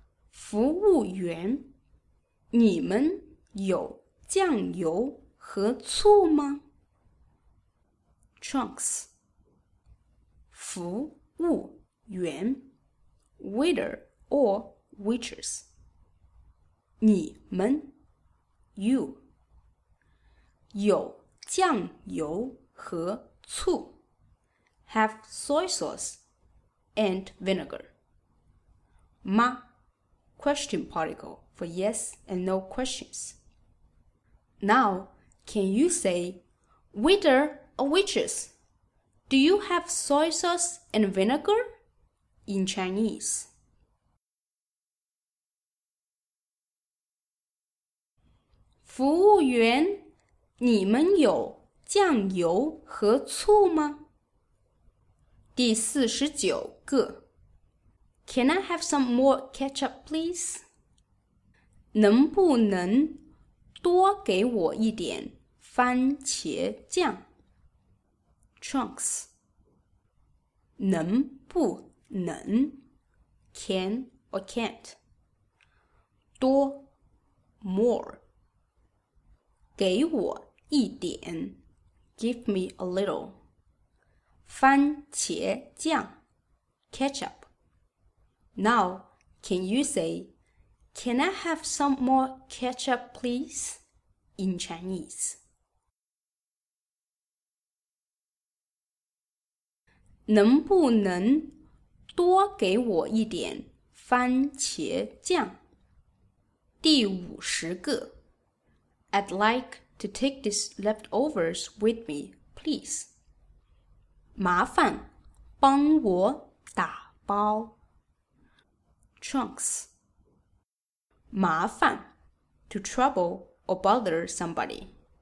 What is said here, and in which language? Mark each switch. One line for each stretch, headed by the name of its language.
Chinese: 服务员，你们有酱油和醋吗
English: ？Trunks.
Chinese: 服务员
English: ，Waiter or waitress,
Chinese: 你们
English: ，you。
Chinese: 有酱油和醋
English: ，have soy sauce and vinegar.
Chinese: 吗
English: ？Question particle for yes and no questions. Now, can you say, waiter or waitress, do you have soy sauce and vinegar? In Chinese.
Chinese: 服务员。你们有酱油和醋吗？第四十九个
English: Can I have some more ketchup, please?
Chinese: 能不能多给我一点番茄酱
English: ？Trunks.
Chinese: 能不能
English: ？Can or can't?
Chinese: 多
English: ，more.
Chinese: 给我。一点
English: give me a little,
Chinese: 番茄酱
English: ketchup. Now, can you say, can I have some more ketchup, please? In Chinese.
Chinese: 能不能多给我一点番茄酱？第五十个
English: I'd like... to take these leftovers with me, please.
Chinese: 麻烦帮我打包。
English: Trunks.
Chinese: 麻烦
English: to trouble or bother somebody.